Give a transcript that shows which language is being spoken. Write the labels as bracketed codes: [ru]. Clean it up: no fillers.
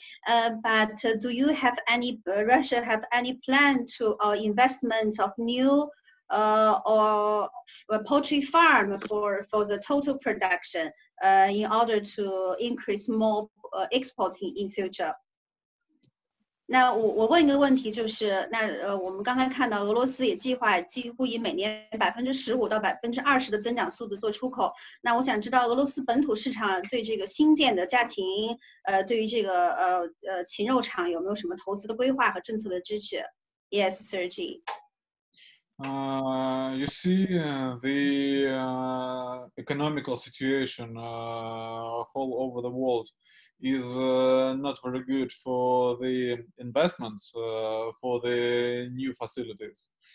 [en] But do you have any, Russia have any plan to investment of new poultry farm for the total production in order to increase more exporting in future? [zh] 那我问一个问题就是，那我们刚才看到俄罗斯也计划几乎以每年15%-20%的增长速度做出口。那我想知道俄罗斯本土市场对这个新建的家禽，对于这个禽肉厂有没有什么投资的规划和政策的支持 ？ [en] Yes, Sergi. You see the economical situation all over the world. Is not very good for the investments for the new facilities.